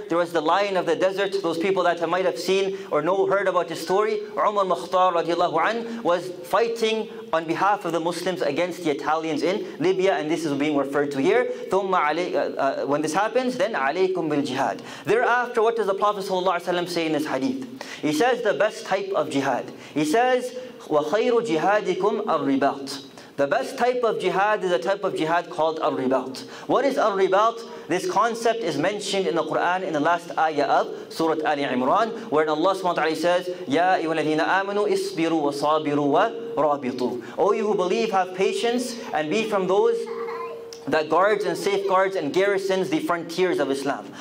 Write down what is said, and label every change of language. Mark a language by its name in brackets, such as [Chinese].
[English] There was the Lion of the Desert. Those people that might have seen or know, heard about his story, Umar Mukhtar radiallahu an, was fighting on behalf of the Muslims against the Italians in Libya, and this is being referred to here. When this happens, then alaykum bil jihad. Thereafter, what does the Prophet sallallahu alaihi wasallam say in this hadith? He says the best type of jihad. He says, [Arabic] وَخَيْرُ جِهَادِكُمْ الرِّبَاطِ. [English] The best type of jihad is a type of jihad called al-ribat. What is al-ribat? This concept is mentioned in the Qur'an in the last ayah of Surah Ali Imran, where Allah SWT says, [Arabic] يَا أَيُّهَا الَّذِينَ آمَنُوا إِصْبِرُوا وَصَابِرُوا وَرَابِطُوا. [English] O you who believe, have patience and be from those that guards and safeguards and garrisons the frontiers of Islam.